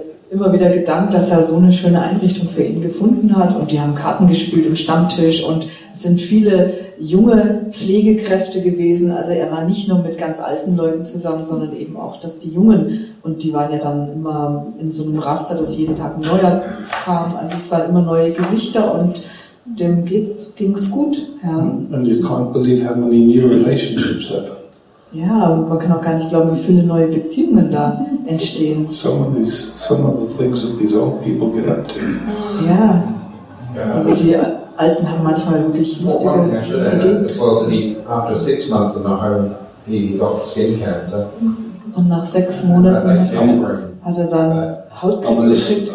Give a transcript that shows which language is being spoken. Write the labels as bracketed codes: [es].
[de] immer wieder gedankt, dass er so eine schöne Einrichtung für ihn gefunden hat und die haben Karten gespielt im Stammtisch und es sind viele junge Pflegekräfte gewesen, also er war nicht nur mit ganz alten Leuten zusammen, sondern eben auch, dass die Jungen, und die waren ja dann immer in so einem Raster, dass jeden Tag ein neuer kam, also es waren immer neue Gesichter und dem ging's gut. Ja. [en] And you can't believe how many new relationships are. [de] Ja, und man kann auch gar nicht glauben, wie viele neue Beziehungen da entstehen. [en] Some of the things that these old people get up to. [de] Ja, also die Alten haben manchmal wirklich lustige Ideen. [en] After 6 months in the home, he got skin cancer. [de] Und nach 6 Monaten hat er dann Hautkrebs gekriegt.